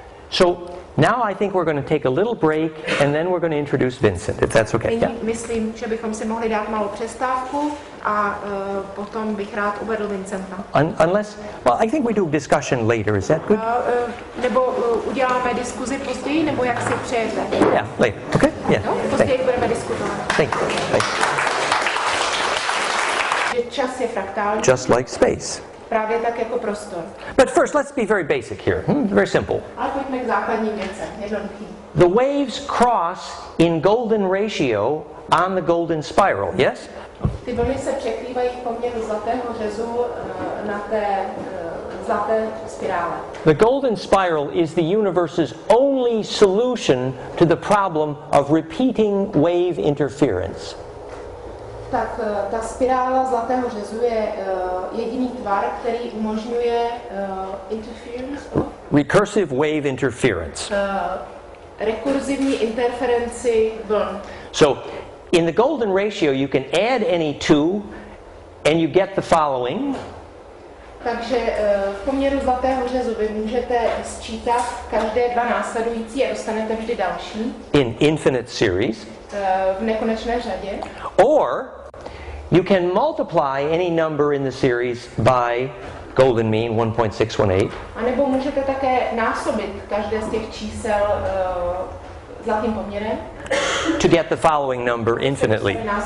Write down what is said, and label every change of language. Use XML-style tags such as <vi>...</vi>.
<en>So now I think we're going to take a little break and then we're going to introduce Vincent, if that's okay. Yeah.</en> <cs>Myslím, že bychom si mohli dát malou přestávku a potom bych rád uvedl Vincenta.</cs> <en>I think we do discussion later, is that good?</en> <cs>Nebo uděláme diskuzi později, nebo jak si přejete.</cs> <en>Yeah, later, okay? Yeah.</en> <cs>No, později budeme diskutovat.</cs> <en>Thank you.</en> <cs>Čas je fraktální.</cs> <en>Just like space.</en> <cs>Právě tak jako prostor.</cs> <en>But first, let's be very basic here. Very simple.</en> <cs>Ale pojďme k základním věcem.</cs> <en>The waves cross in golden ratio on the golden spiral, yes?</en> <cs>Ty vlny se překrývají v poměru zlatého řezu na té zlaté spirále.</cs> <en>The golden spiral is the universe's only solution to the problem of repeating wave interference.</en> <cs>tak ta spirála zlatého řezu je jediný tvar, který umožňuje interference.</cs> <en>Recursive wave interference.</en> <cs>Rekurzivní interferenci vln.</cs> <en>So in the golden ratio you can add any two and you get the following.</en> <cs>Takže v poměru zlatého řezu vy můžete sčítat každé dva následující a dostanete vždy další.</cs> <en>In infinite series.</en> <cs>V nekonečné řadě.</cs> <en>Or you can multiply any number in the series by golden mean 1.618.</en> <cs>A nebo můžete také násobit každé z těch čísel zlatým poměrem.</cs> <en>To get the following number infinitely.</en>